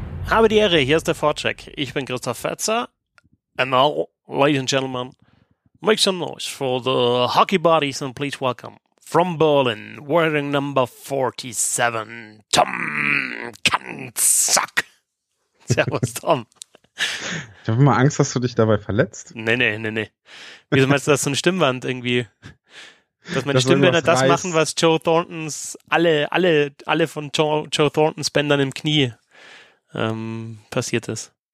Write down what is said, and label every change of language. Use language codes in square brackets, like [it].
[de] Habe die Ehre, hier ist der Sportcheck. Ich bin Christoph Fetzer. [en] And now, ladies and gentlemen, make some noise for the hockey buddies and please welcome from Berlin, wearing number 47, Tom Kanzak. [de] Servus, Tom. Ich habe immer Angst, dass du dich dabei verletzt. Nee. Wieso meinst du, dass so eine Stimmwand irgendwie, dass meine Stimmbänder das machen, was Joe Thorntons, alle von Joe Thorntons Bändern im Knie passiert ist?